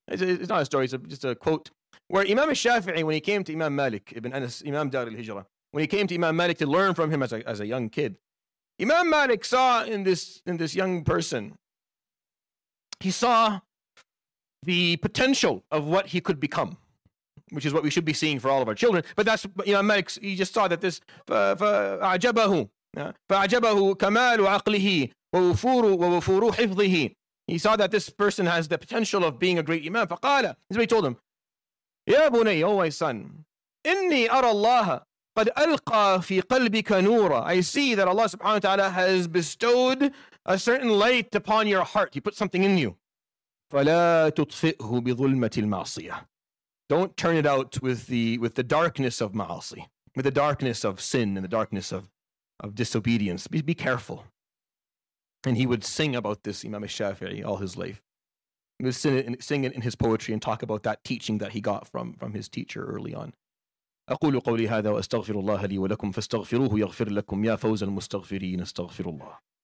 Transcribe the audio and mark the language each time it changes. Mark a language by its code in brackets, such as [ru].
[en] It's not a story, it's just a quote. Where Imam al-Shafi'i, when he came to Imam Malik ibn Anas, Imam Dar al-Hijrah, when he came to Imam Malik to learn from him as a young kid, Imam Malik saw in this young person, he saw the potential of what he could become, which is what we should be seeing for all of our children. But that's, you know, Malik, he just saw that this, [ar] فَعَجَبَهُ فَعَجَبَهُ كَمَالُ عَقْلِهِ وَوُفُورُ حِفْظِهِ. [en] He saw that this person has the potential of being a great imam. فَقَالَ, this is what he told him. [ar] يَا بُنَيْ, [en] O my son, [ar] إِنِّي أَرَى اللَّهَ قَدْ أَلْقَى فِي قَلْبِكَ نُورًا. [en] I see that Allah subhanahu wa ta'ala has bestowed a certain light upon your heart. He put something in you. [ar] فَلَا تُطْفِئْهُ بِظُلْمَةِ الْمَعْصِيَةِ. [en] Don't turn it out with the darkness of ma'asi, with the darkness of sin and the darkness of disobedience. Be careful. And he would sing about this, Imam al-Shafi'i, all his life. He would sing it in his poetry and talk about that teaching that he got from his teacher early on. [ar] أقول قولي هذا وأستغفر الله لي ولكم فاستغفروه يغفر لكم يا فوز المستغفرين استغفر الله.